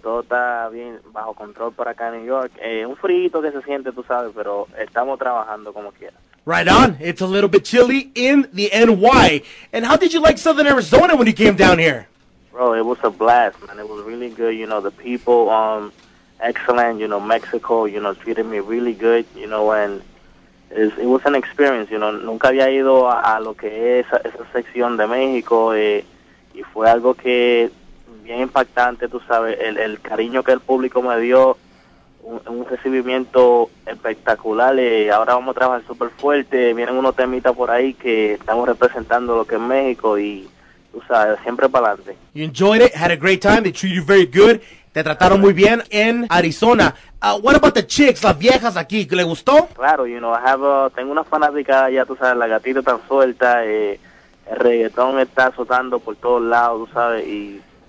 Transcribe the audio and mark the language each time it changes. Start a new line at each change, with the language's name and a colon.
Spanish: Todo está bien bajo control por acá en New York. Un frío que se siente, tú sabes, pero estamos trabajando como quieras.
English: Right on. It's a little bit chilly in the NY. And how did you like Southern Arizona when you came down here? Bro, it was a blast, man. It was really good. You know, the people, excellent. You know, Mexico, you know, treated me really good. You know, and it was an experience. You know,
Spanish: nunca había ido a lo que es esa sección de México. Y fue algo que bien impactante, tú sabes. El cariño que el público me dio. Un recibimiento espectacular. Ahora vamos a trabajar súper fuerte. Vienen unos temitas por ahí que estamos representando lo que es México y, tú sabes, siempre para adelante.
English: You enjoyed it, had a great time, they treated you very good.
Spanish: Te trataron muy bien en Arizona.
English: What about the chicks,
Spanish: las viejas aquí, ¿le gustó? Claro,
English: you know,
Spanish: tengo una fanática ya, tú sabes, la gatita tan suelta. El reggaetón está azotando por todos lados, tú sabes, y...